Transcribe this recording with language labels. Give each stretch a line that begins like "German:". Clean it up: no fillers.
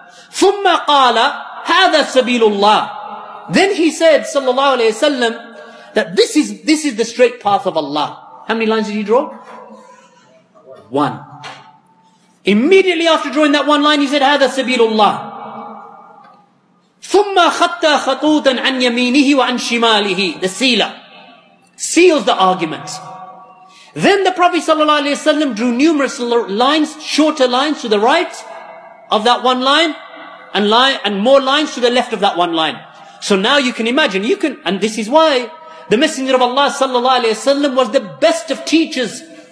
Arabic: ثُمَّ قَالَ هَذَا سَبِيلُ اللَّهِ.
English: Then he said sallallahu alaihi wasallam that this is the straight path of Allah. How many lines did he draw? One. Immediately after drawing that one line, he said,
Arabic: هَذَا سَبِيلُ اللَّهِ. ثُمَّ خَطَّى خَطُوطًا عَنْ يَمِينِهِ وَعَنْ شِمَالِهِ.
English: The seela. Seals the argument. Then the Prophet sallallahu alaihi wasallam drew numerous lines, shorter lines to the right of that one line, and more lines to the left of that one line. So now you can imagine, and this is why the Messenger of Allah sallallahu alaihi wasallam was the best of teachers.